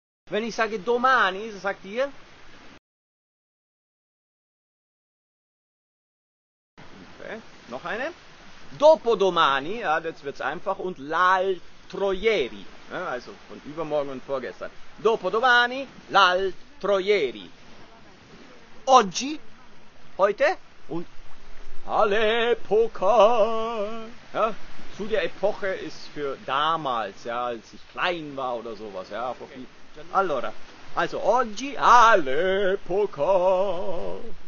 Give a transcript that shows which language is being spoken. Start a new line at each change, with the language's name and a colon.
German: Wenn ich sage domani, sagt ihr. Okay. Noch eine. Dopodomani, ja, jetzt wird's einfach, und l'altro ieri, ja, also von übermorgen und vorgestern.
Italian: Dopodomani, l'altro ieri. Oggi, heute, und all'epoca.
German: Ja, zu der Epoche ist für damals, ja, als ich klein war oder sowas, ja, vor viel.
Italian: Allora, also oggi, all'epoca.